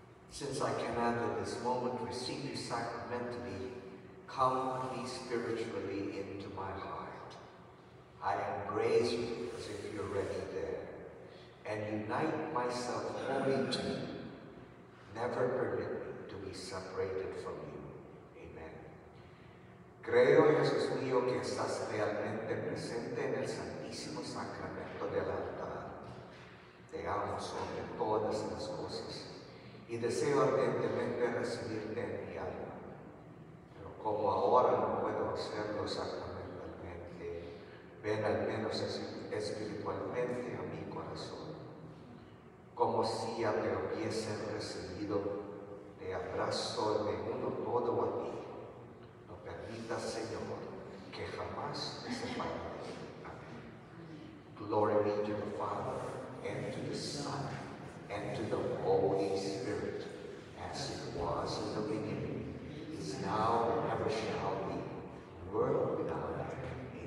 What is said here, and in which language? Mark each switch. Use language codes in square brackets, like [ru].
[en] Since I cannot at this moment receive you sacramentally, come please spiritually into my heart. I embrace you as if you're already there, and unite myself wholly to you. Never permit me to be separated from you. Amen. [es] Creo, Jesús mío, que estás realmente presente en el Santísimo Sacramento del altar. Te amo sobre todas las cosas y deseo ardientemente recibirte en mi alma. Pero como ahora no puedo hacerlo sacramentalmente, ven al menos espiritualmente a mi corazón. Como si ya me hubiese recibido, te abrazo y me uno todo a ti. No permitas, Señor, que jamás me separe de ti. Amén. [en] Glory be to the Father, and to the Son, and to the Holy Spirit, as it was in the beginning, is now, and ever shall be, world without end.